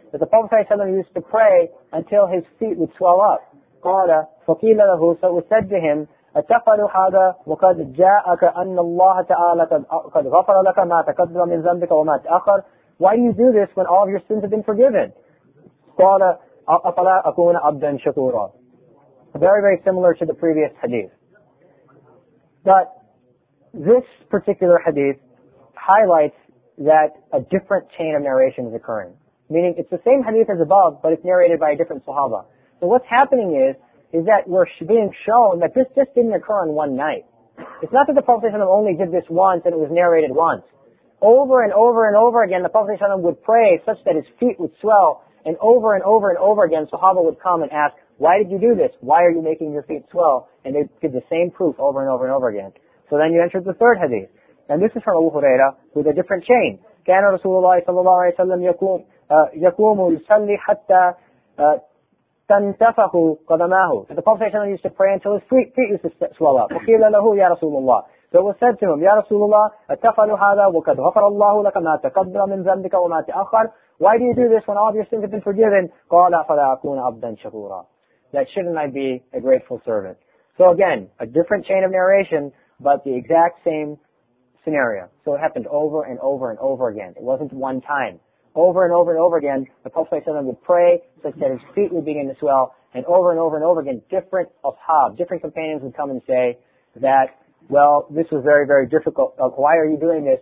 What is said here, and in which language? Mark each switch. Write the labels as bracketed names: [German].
[English] But the Prophet صلى الله عليه وسلم used to pray until his feet would swell up. [Arabic] قال فقيل له, [English] so it was said to him, [Arabic] أتقل هذا وقد جاءك أن الله تعالى قد غفر لك ما تقدم من ذنبك وما تأخر. [English] Why do you do this when all of your sins have been forgiven? [Arabic] قال أفلا أكون عبدا شكورا. [English] Very, very similar to the previous hadith. But this particular hadith highlights that a different chain of narration is occurring. Meaning it's the same hadith as above, but it's narrated by a different sahaba. So what's happening is that we're being shown that this just didn't occur in one night. It's not that the Prophet ﷺ only did this once and it was narrated once. Over and over and over again, the Prophet ﷺ would pray such that his feet would swell, and over and over and over again, sahaba would come and ask, why did you do this? Why are you making your feet swell? And they give the same proof over and over and over again. So then you entered the third hadith. And this is from Abu Huraira with a different chain. [Arabic] كان رسول الله صلى الله عليه وسلم يقوم يصلي حتى تنتفخ قدماه. [English] The Prophet used to pray until his feet used to swell up. [Arabic] وقيل له يا رسول الله. [English] So it was said to him, [Arabic] يا رسول الله أتفعل هذا وقد غفر الله لك ما تقدم من ذنبك وما تأخر. [English] Why do you do this when all of your sins have been forgiven? [Arabic] قال فلا أكون عبدا شكورا. [English] That shouldn't I be a grateful servant? So again, a different chain of narration, but the exact same scenario. So it happened over and over and over again. It wasn't one time. Over and over and over again, the Prophet ﷺ would pray such that his feet would begin to swell, and over and over and over again, different ashab, different companions would come and say that, well, this was very, very difficult. Why are you doing this?